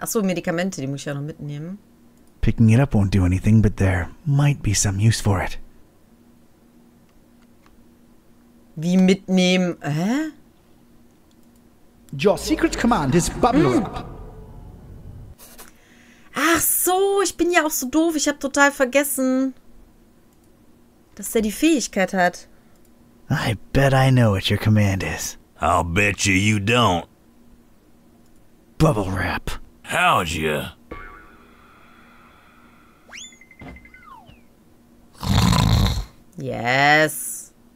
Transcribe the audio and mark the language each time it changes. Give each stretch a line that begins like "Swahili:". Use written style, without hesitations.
German: Achso, Medikamente, die muss ich ja noch mitnehmen.
English: Picking it up won't do anything, but there might be some use for it.
German: Wie mitnehmen? Hä?
English: Your secret command is bubble wrap.
German: Ach so, ich bin ja auch so doof. Ich hab total vergessen, dass der die Fähigkeit hat.
English: I bet I know what your command is. I'll bet you you don't. Bubble wrap. How'd you? Yes.